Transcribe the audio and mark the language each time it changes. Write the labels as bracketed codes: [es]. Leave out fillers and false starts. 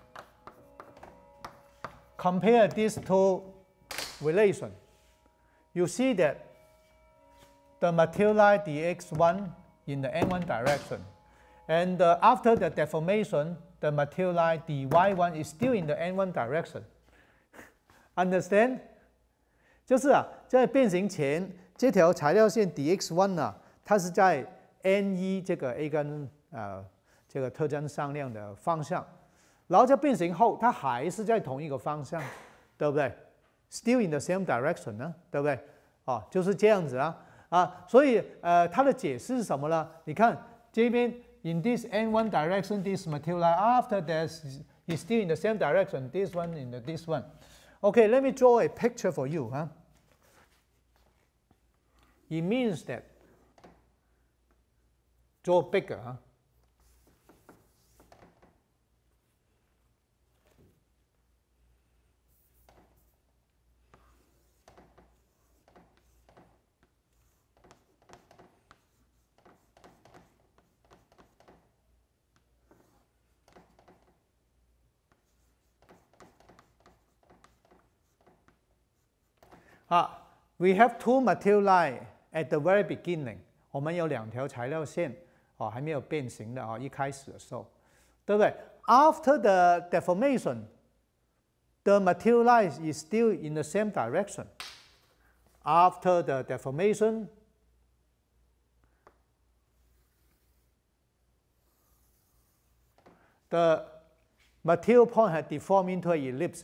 [en] See? Compare these two relations. You see that the material line dx1 in the n1 direction. And after the deformation, the material line dy1 is still in the n1 direction. Understand? [zh] 就是啊, 在变形前, 这条材料线 dx1 啊, 它是在 ne 这个 eigen 这个特征向量的方向, 然后在变形后, 它还是在同一个方向, 对不对? [en] Still in the same direction, [zh] 对不对?哦, 就是这样子啊。所以它的解释是什么呢? 你看, 这边, [en] in this n1 direction, this material line, after that, it's still in the same direction, this one in the this one. Okay, let me draw a picture for you. Huh? It means that, draw bigger. Huh? We have two material line at the very beginning. [zh] 我们有两条材料线，还没有变形的，一开始的时候，对不对？ [en] After the deformation, the material line is still in the same direction. After the deformation, the material point has deformed into an ellipse.